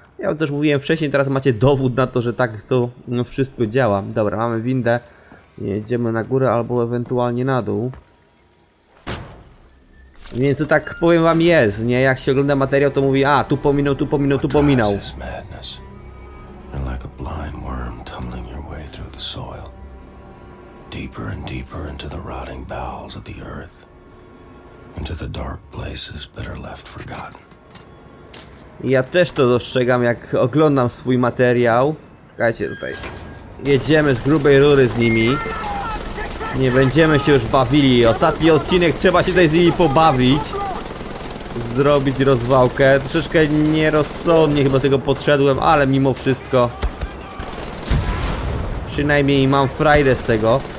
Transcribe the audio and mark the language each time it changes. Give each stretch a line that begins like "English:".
Polish: Ja wam też mówiłem wcześniej, teraz macie dowód na to, że tak to wszystko działa. Dobra, mamy windę, jedziemy na górę albo ewentualnie na dół. Więc to tak powiem wam jest, nie? Jak się ogląda materiał, to mówi, a tu pominął, tu pominął, tu pominął.
English: And like a blind worm tumbling your way through the soil, deeper and deeper into the rotting bowels of the earth, into the dark places that are left forgotten.
Polish: Ja też to dostrzegam, jak oglądam swój materiał. Czekajcie tutaj. Jedziemy z grubej rury z nimi. Nie będziemy się już bawili. Ostatni odcinek, trzeba się tutaj z nimi pobawić. Zrobić rozwałkę. Troszeczkę nierozsądnie chyba tego podszedłem, ale mimo wszystko przynajmniej mam frajdę z tego.